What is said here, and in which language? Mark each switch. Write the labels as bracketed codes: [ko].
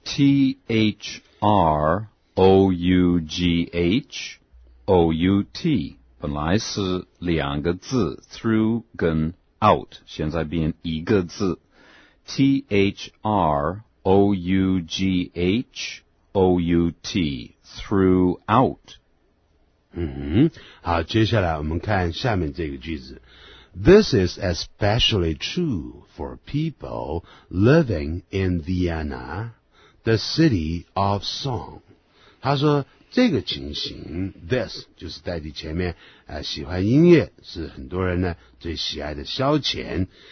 [zh] THROUGH OUT 本来是两个字 through 跟 out， 现在变一个字 THROUGH OUT throughout。好，接下来我们看下面这个句子。 [en] This is especially true for people living in Vienna。 the city of song. [zh] 他说这个情形 this 就是代替前面、喜欢音乐是很多人呢最喜爱的消遣。